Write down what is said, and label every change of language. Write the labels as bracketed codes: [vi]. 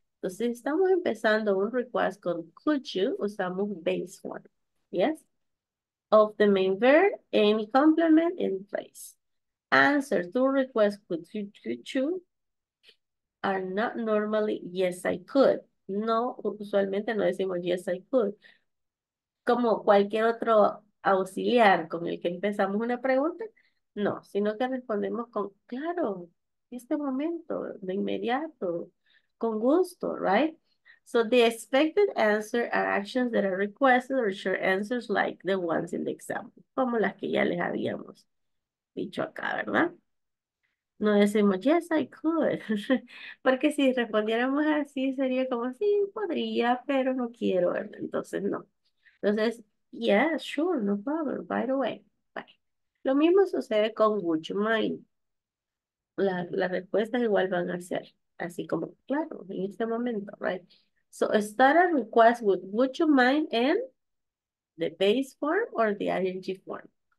[es] Entonces, estamos empezando un request con could you, usamos [en] base form, yes? Of the main verb, any complement in place. Answer to request could you, could you, are not normally yes I could. [es] No, usualmente no decimos [en] yes I could. [es] Como cualquier otro auxiliar con el que empezamos una pregunta, no, sino que respondemos con claro, en este momento, de inmediato. Con gusto, right? [en] So the expected answer are actions that are requested or short answers like the ones in the example. [es] Como las que ya les habíamos dicho acá, ¿verdad? No decimos, [en] yes, I could. [es] Porque si respondiéramos así, sería como, sí, podría, pero no quiero, ¿verdad? Entonces, no. [en] Entonces, yes, sure, no problem, by the way. [es] Bye. Lo mismo sucede con [en] would you mind. [es] Las respuestas igual van a ser. Así como, claro, en este momento, right? [en] So, start a request with would you mind in the base form or the ing form?